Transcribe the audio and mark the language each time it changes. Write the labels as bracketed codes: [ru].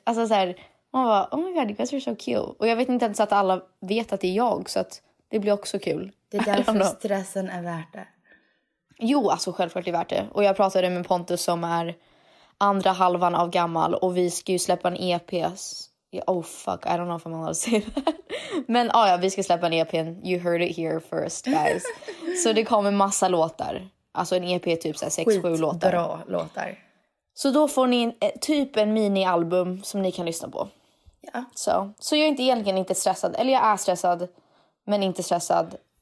[sv] Alltså så här, man bara, [en] oh my god, you guys are so cute. [sv] Och jag vet inte ens att alla vet att det är jag, så att det blir också kul. Det är därför stressen är värt det. Jo, alltså självklart är värt det. Och jag pratade med Pontus som är andra halvan av Gammal och vi ska ju släppa en EP. [en] Oh fuck, I don't know if I'm allowed to say that. [sv] Men ja, vi ska släppa en EP. [en] You heard it here first, guys. [sv] Så det kommer massa låtar. Alltså en EP typ så här 6-7 låtar. Bra låtar. Så då får ni typ en mini-album som ni kan lyssna på. Ja. Så jag är egentligen inte stressad. Eller jag är stressad, men inte stressad.